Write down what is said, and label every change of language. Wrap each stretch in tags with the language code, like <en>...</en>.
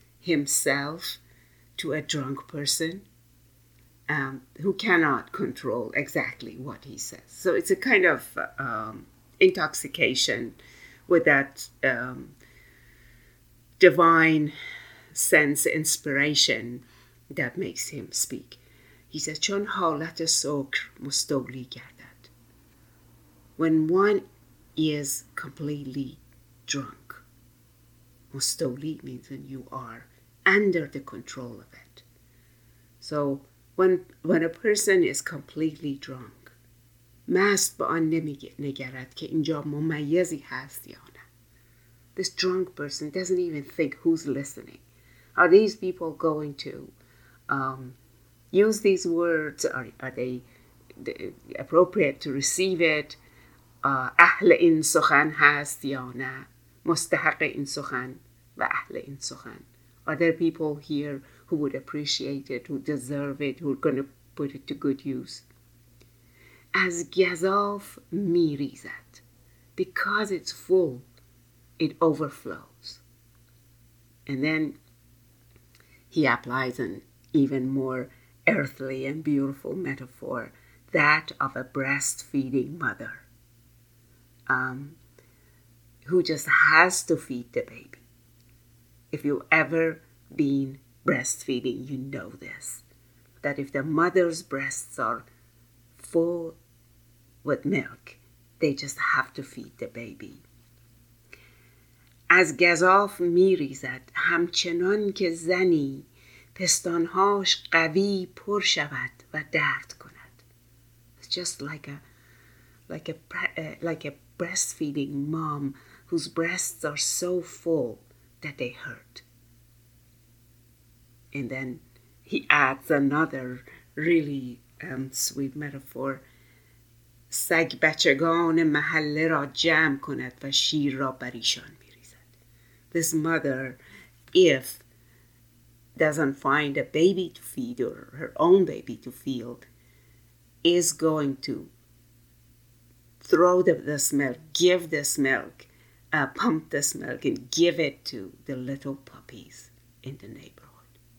<en>himself to a drunk person who cannot control exactly what he says. So it's a kind of intoxication with that divine sense inspiration that makes him speak. He says,</en> <fa>چون حالت سکر مستولی گردد.</fa> <en>When one is completely drunk, مستولی means when you are under the control of it. So when a person is completely drunk,</en> <fa>مست با آن نمیگرد که اینجا ممیزی هست یا نه.</fa> <en>This drunk person doesn't even think who's listening. Are these people going to use these words? Are they appropriate to receive it?</en> <fa>اهل این سخن هست یا نه؟ مستحق این سخن و اهل این سخن.</fa> <en>Are there people here who would appreciate it, who deserve it, who are going to put it to good use?</en> <fa>از گزاف می ریزد.</fa> <en>Because it's full, it overflows. And then he applies an even more earthly and beautiful metaphor, that of a breastfeeding mother who just has to feed the baby. If you've ever been breastfeeding, you know this, that if the mother's breasts are full with milk, they just have to feed the baby.</en> <fa>از گزاف می ریزد همچنان که زنی پستانهاش قوی پر شود و درد کند.</fa> <en>It's just like a breastfeeding mom whose breasts are so full that they hurt. And then he adds another really sweet metaphor.</en> <fa>سگ بچگان محله را جمع کند و شیر را بریشان می ریزد.</fa> <en>This mother, if doesn't find a baby to feed or her own baby to feed, is going to throw this milk, give this milk, pump this milk and give it to the little puppies in the neighborhood.</en>